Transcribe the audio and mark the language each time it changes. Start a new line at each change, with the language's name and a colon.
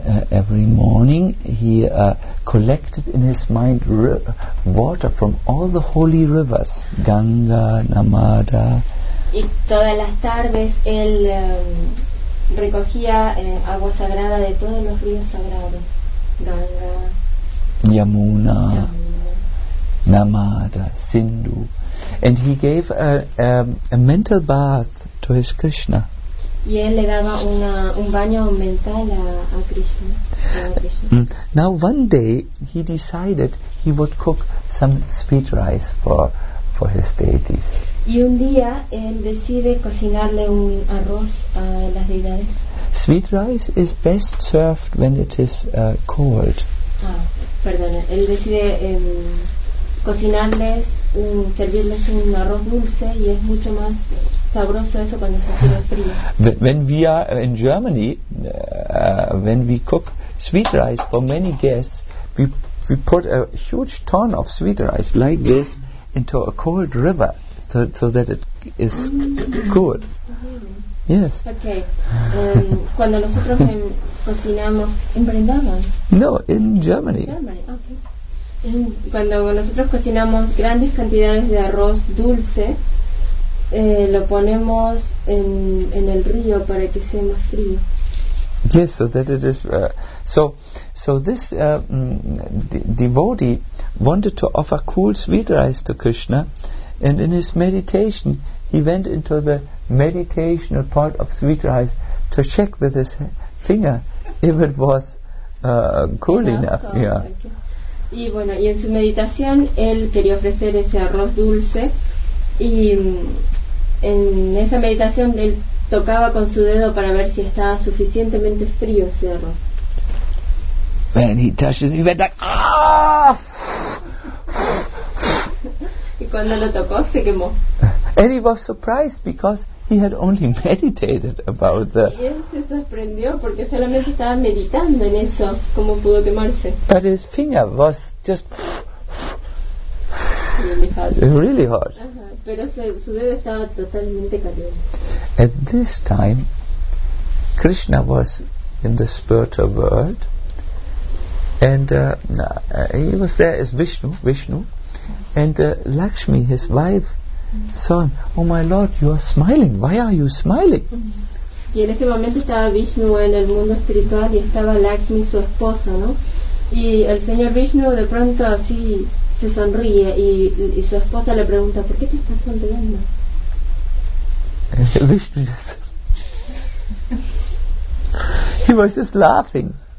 English: Every morning he collected in his mind water from all the holy rivers, Ganga, Namada.
Spanish: Y todas las tardes él recogía agua sagrada de todos los ríos sagrados, Ganga, Yamuna, Namada, Sindhu.
English: And he gave a mental bath to his Krishna.
Spanish: Y él le daba un baño mental a Krishna.
English: Now one day he decided he would cook some sweet rice for his deities.
Spanish: Y un día él decide cocinarle un arroz a las deidades.
English: Sweet rice is best served when it is cold.
Spanish: Ah, perdona. Él decide cocinarles, servirles un arroz dulce, y es mucho más sabroso eso cuando se sirve frío.
English: When we are in Germany, when we cook sweet rice for many guests, we put a huge ton of sweet rice like this into a cold river, so that it is good. Yes. Okay.
Spanish: Cuando nosotros cocinamos en Brindavan.
English: No, in Germany. Germany. Okay.
Spanish: Cuando nosotros cocinamos grandes cantidades de arroz dulce, lo ponemos en el río para que sea más frío.
English: Yes, so that it is. So this devotee wanted to offer cool sweet rice to Krishna, and in his meditation he went into the meditational part of sweet rice to check with his finger if it was cool enough. Yeah. Okay.
Spanish: Y bueno, y en su meditación él quería ofrecer ese arroz dulce, y en esa meditación él tocaba con su dedo para ver si estaba suficientemente frío ese arroz.
English: When he touched it, he went like, ah!
Spanish: Y cuando lo tocó, se quemó.
English: And he was surprised because he had only meditated about the.
Spanish: Y él se sorprendió porque solamente estaba meditando en eso, cómo pudo quemarse.
English: But his finger was just. Really hot. Really hot. Uh-huh.
Spanish: Pero su dedo estaba totalmente caliente.
English: At this time, Krishna was in the spiritual world. And he was there as Vishnu, and Lakshmi, his wife, saw him. Oh my Lord, you are smiling. Why are you smiling?
Spanish: Y en ese momento estaba Vishnu en el mundo espiritual y estaba Lakshmi, su esposa, ¿no? Y el señor Vishnu de pronto así se sonríe, y su esposa le pregunta, ¿por qué te estás sonriendo?
English: Vishnu just he was just laughing.